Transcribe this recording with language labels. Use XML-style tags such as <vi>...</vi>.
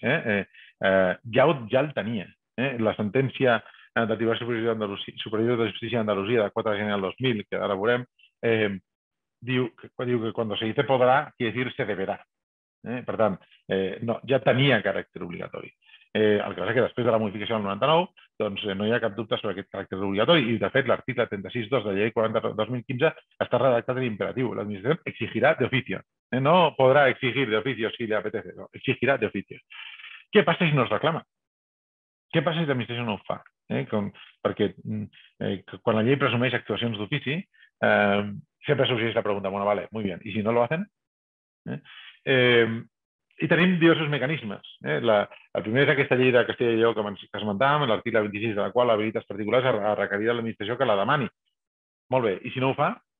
<ca>Ja el tenia. La sentència de diversos superiors de justícia d'Andalusia de 4 de gener del 2000, que ara veurem, diu que quan</ca> <es>se dice podrà, quiere decir se deberá.</es> <ca>Per tant, no, ja tenia caràcter obligatori. El que passa és que després de la modificació del 99, doncs no hi ha cap dubte sobre aquest caràcter obligatori i, de fet, l'article 36.2 de la llei 40/2015 està redactat en imperatiu. L'administració exigirà d'ofici</ca> <es>No podrá exigir de oficio si le apetece, no, exigirá de oficio. ¿Qué pasa si nos reclama? ¿Qué pasa si la administración no fa?</es> <ca>Perquè quan la llei presumeix actuacions d'ofici, sempre sorgeix la pregunta,</ca> <es>bueno, vale, muy bien, ¿y si no lo hacen?</es> <ca>I tenim diversos mecanismes. El primer és aquesta llei de Castella i Lleó que esmentàvem, l'article 26 de la qual habilita els particulars a requerir de l'administració que la demani. Molt bé, i si no ho fa?</ca>